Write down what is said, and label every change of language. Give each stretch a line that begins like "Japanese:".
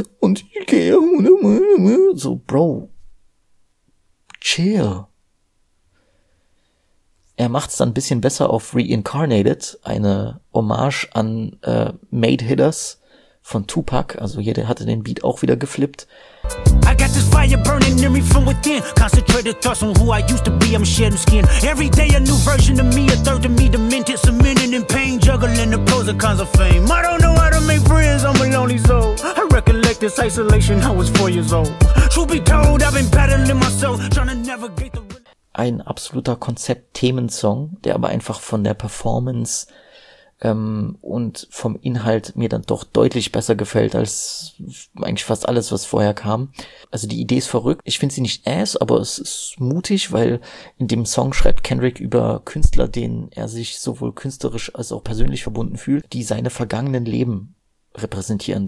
German: Und ich gehe so, Bro, chill. Er macht's dann ein bisschen besser auf Reincarnated, eine Hommage an Made Hitters von Tupac. Also hier, der hatte den Beat auch wieder geflippt.
English: I got this fire burning near me from within. Concentrated thoughts on who I used to be, I'm shedding skin. Every day a new version of me, a third of me demented, cementing in pain, juggling the pros and cons of fame. I don't know how to make friends, I'm a lonely soul. I recollect this isolation, I was 4 years old. Truth be told, I've been battling myself, trying to navigate the...
German: Ein absoluter Konzept-Themensong, der aber einfach von der Performance und vom Inhalt mir dann doch deutlich besser gefällt als eigentlich fast alles, was vorher kam. Also die Idee ist verrückt. Ich finde sie nicht ass, aber es ist mutig, weil in dem Song schreibt Kendrick über Künstler, denen er sich sowohl künstlerisch als auch persönlich verbunden fühlt, die seine vergangenen Leben repräsentieren.